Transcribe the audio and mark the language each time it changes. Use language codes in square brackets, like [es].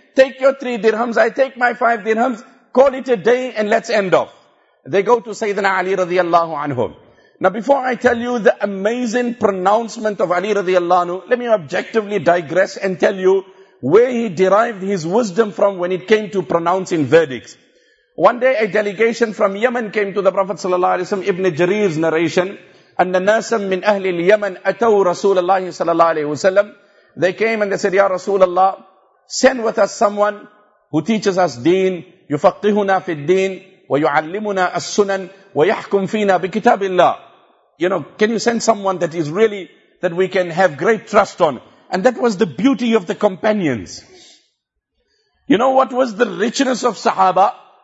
[en] Take your three dirhams. I take my five dirhams. Call it a day and let's end off. They go to Sayyidina Ali radiallahu anhu. Now before I tell you the amazing pronouncement of Ali radiallahu anhu, let me objectively digress and tell you where he derived his wisdom from when it came to pronouncing verdicts. One day a delegation from Yemen came to the Prophet sallallahu alaihi wasallam. Ibn Jarir's narration, [ar] أَنَّ نَاسًا مِّنْ أَهْلِ الْيَمَنْ أَتَوْ رَسُولَ اللَّهِ sallallahu alaihi wasallam. [en] They came and they said, Ya Rasulullah, send with us someone who teaches us deen, [ar] يُفَقِّهُنَا فِي الدِّينِ وَيُعَلِّمُنَا السُّنَنْ وَيَحْكُمْ فِينَا بِكِتَابِ اللَّهِ [en] You know, can you send someone that is really, that we can have great trust on? And that was the beauty of the companions. You know what was the richness of Sahaba?